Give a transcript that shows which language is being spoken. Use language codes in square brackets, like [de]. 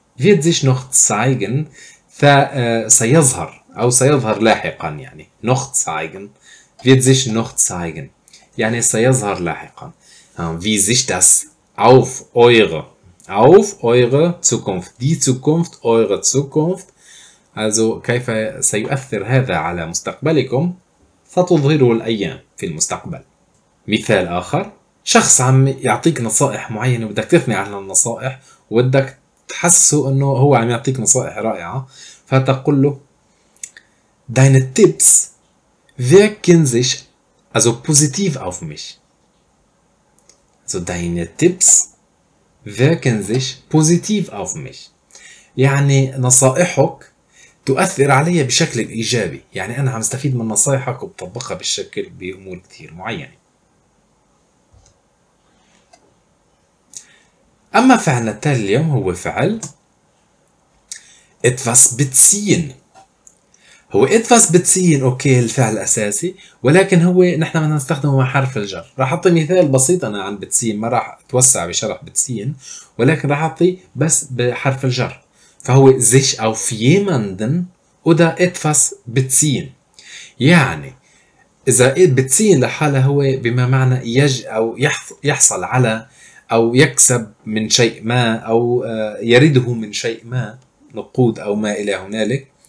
[de] wird sich noch zeigen, [ar] سيظهر أو سيظهر لاحقا يعني. [de] noch zeigen. wird sich noch zeigen. [ar] يعني سيظهر لاحقا. [de] wie sich das auf eure Zukunft, die Zukunft, eure Zukunft. [ar] Also, كيف سيؤثر هذا على مستقبلكم؟ ستظهره الأيام في المستقبل. مثال آخر. شخص عم يعطيك نصائح معينة وبدك تثني على النصائح وبدك تحسه انه هو عم يعطيك نصائح رائعة، فتقول له [de] deine Tipps wirken sich also positiv auf mich. So deine Tipps wirken sich positiv auf mich. [ar] يعني نصائحك تؤثر علي بشكل إيجابي، يعني أنا عم استفيد من نصائحك وبطبقها بالشكل بأمور كتير معينة. أما فعلنا التالي اليوم هو فعل [de] etwas beziehen. [ar] هو [de] etwas beziehen [ar] أوكي الفعل الأساسي، ولكن هو نحن بدنا نستخدمه مع حرف الجر. راح أعطي مثال بسيط أنا عن beziehen، ما راح أتوسع بشرح beziehen، ولكن راح أعطي بس بحرف الجر. [de] فهو sich auf jemanden oder etwas beziehen. [ar] يعني إذا beziehen لحالة هو بما معنى أو يحصل على أو يكسب من شيء ما أو يريده من شيء ما، نقود أو ما إلى هنالك.